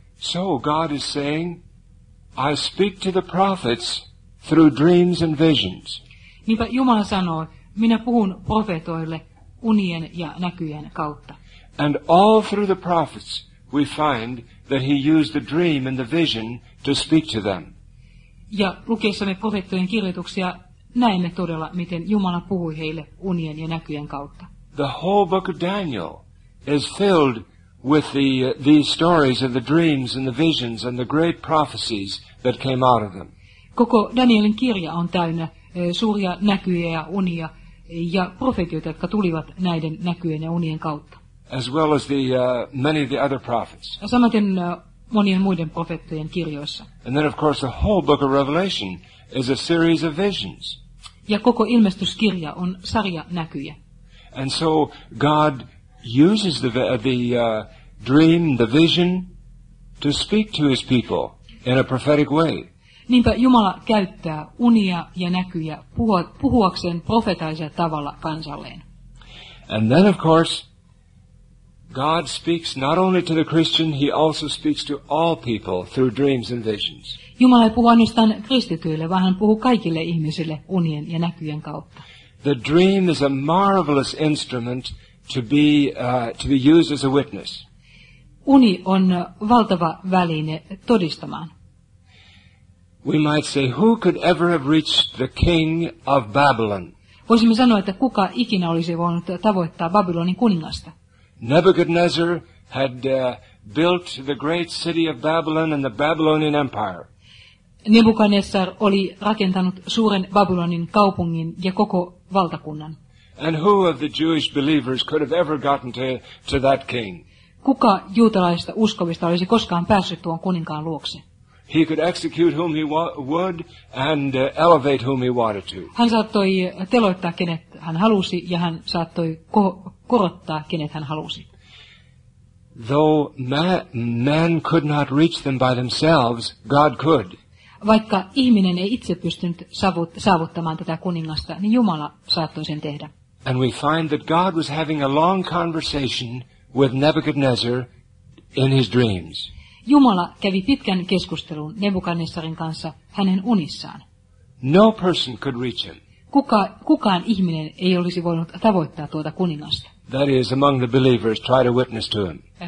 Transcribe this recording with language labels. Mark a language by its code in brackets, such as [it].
[en] So God is saying, I speak to the prophets through dreams and visions. [fi] Niinpä Jumala sanoo, minä puhun profeetoille unien ja näkyjen kautta. [en] And all through the prophets we find that he used the dream and the vision to speak to them. [fi] Ja lukiessamme profeettojen kirjoituksia näemme todella, miten Jumala puhui heille unien ja näkyjen kautta. [en] The whole book of Daniel is filled with these stories of the dreams and the visions and the great prophecies that came out of them. [fi] Koko Danielin kirja on täynnä suuria näkyjä ja unia ja profetioita, jotka tulivat näiden näkyjen ja unien kautta. [en] As well as many of the other prophets. [fi] Ja samaten monien muiden profeettojen kirjoissa. [en] And then of course the whole book of Revelation is a series of visions. [fi] Ja koko ilmestyskirja on sarja näkyjä. [en] And so God uses the dream, the vision, to speak to his people in a prophetic way. [fi] Niinpä Jumala käyttää unia ja näkyjä puhuakseen profetaisella tavalla kansalleen. [en] And then of course, God speaks not only to the Christian, he also speaks to all people through dreams and visions. [fi] Jumala ei puhu ainoastaan kristityille, vaan hän puhuu kaikille ihmisille unien ja näkyjen kautta. [en] The dream is a marvelous instrument to be used as a witness. [fi] Uni on valtava väline todistamaan. [en] We might say, who could ever have reached the king of Babylon? [fi] Voisimme sanoa, että kuka ikinä olisi voinut tavoittaa Babylonin kuningasta. [en] Nebuchadnezzar had built the great city of Babylon and the Babylonian empire. [fi] Nebuchadnezzar oli rakentanut suuren Babylonin kaupungin ja koko valtakunnan. [en] And who of the Jewish believers could have ever gotten to that king? [fi] Kuka juutalaisista uskovista olisi koskaan päässyt tuon kuninkaan luokse? [en] He could execute whom he would and elevate whom he wanted to. [fi] Hän saattoi teloittaa kenet hän halusi ja hän saattoi korottaa kenet hän halusi. [en] Though man could not reach them by themselves, God could. [fi] Vaikka ihminen ei itse pystynyt saavuttamaan tätä kuningasta, niin Jumala saattoi sen tehdä. [en] And we find that God was having a long conversation with Nebuchadnezzar in his dreams. [fi] Jumala kävi pitkän keskustelun Nebukadnessarin kanssa hänen unissaan. [en] No person could reach him. [fi] Kukaan ihminen ei olisi voinut tavoittaa tuota kuningasta. [en] That is, among the believers, try to witness to him.